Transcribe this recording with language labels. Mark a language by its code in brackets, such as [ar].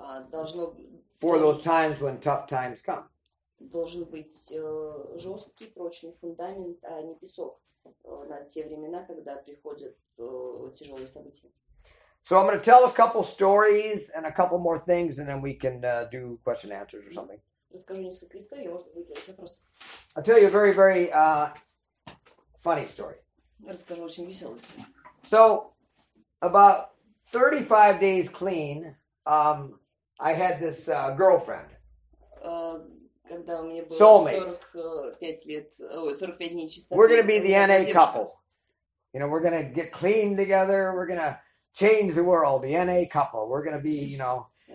[en] For those times when tough times come. [ru] Должен быть жесткий, прочный фундамент, а не песок на те времена, когда приходят тяжелые события. [en] So I'm going to tell a couple stories and a couple more things, and then we can do question and answers or something. [ru] Расскажу несколько историй, может быть, задать вопросы. [en] I'll tell you a very, very funny story. [ru] Расскажу очень веселую историю. [en] So about 35 days clean, I had this girlfriend. [ru] Когда у меня было 45 лет, 45 дней чистоты. [en] We're going to be the NA couple. You know, we're going to get clean together, we're going to change the world, the NA couple. We're going to be, you know.